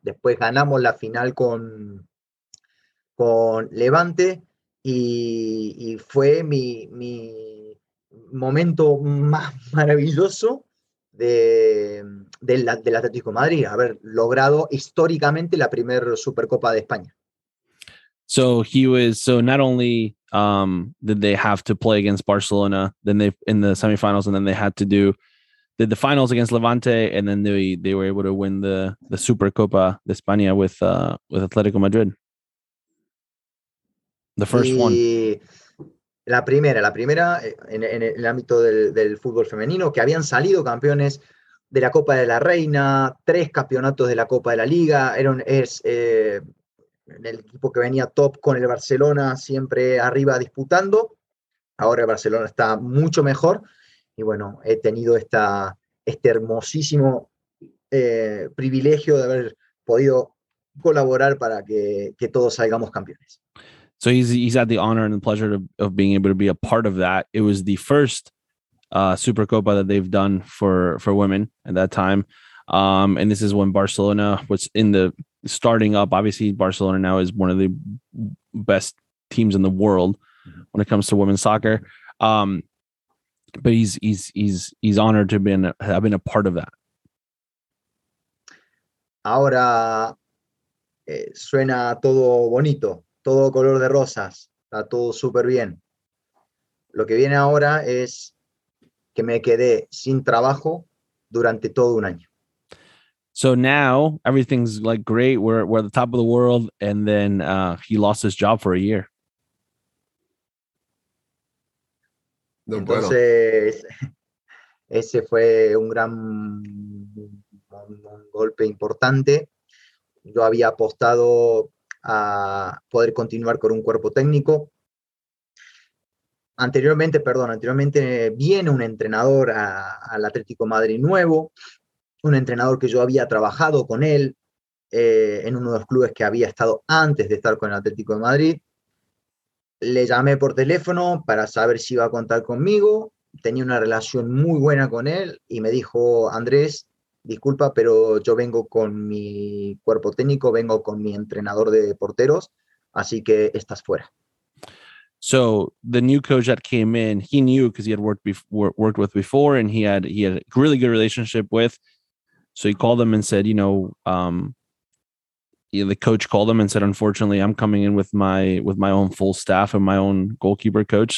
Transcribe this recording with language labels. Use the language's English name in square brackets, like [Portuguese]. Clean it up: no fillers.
[Spanish] Después ganamos la final con Levante. Y fue mi momento más maravilloso del Atlético de Madrid, haber logrado históricamente la primera Supercopa de España. [English] So not only did they have to play against Barcelona, then they in the semifinals, and then they had to did the finals against Levante, and then they were able to win the Supercopa de España with Atlético Madrid. The first [Spanish] y [English] one. [Spanish] La primera en el ámbito del fútbol femenino, que habían salido campeones de la Copa de la Reina, 3 campeonatos de la Copa de la Liga, en el equipo que venía top con el Barcelona, siempre arriba disputando. Ahora el Barcelona está mucho mejor. Y bueno, he tenido este hermosísimo privilegio de haber podido colaborar para que todos salgamos campeones. [English] So he's had the honor and the pleasure of being able to be a part of that. It was the first Supercopa that they've done for women at that time. And this is when Barcelona was in the starting up. Obviously, Barcelona now is one of the best teams in the world when it comes to women's soccer. But he's honored to have been a part of that. [Spanish] Ahora suena todo bonito. Todo color de rosas, está todo súper bien. Lo que viene ahora es que me quedé sin trabajo durante todo un año. [English] So now everything's like great, we're at the top of the world, and then he lost his job for a year. [Spanish] Entonces, ese fue un gran un golpe importante. Yo había apostado a poder continuar con un cuerpo técnico. Anteriormente viene un entrenador al Atlético Madrid nuevo, un entrenador que yo había trabajado con él en uno de los clubes que había estado antes de estar con el Atlético de Madrid. Le llamé por teléfono para saber si iba a contar conmigo. Tenía una relación muy buena con él y me dijo: Andrés, disculpa, pero yo vengo con mi cuerpo técnico, vengo con mi entrenador de porteros, así que estás fuera. [English] So the new coach that came in, he knew because he had worked with before, and he had a really good relationship with. So he called them and said, the coach called him and said, unfortunately, I'm coming in with my own full staff and my own goalkeeper coach.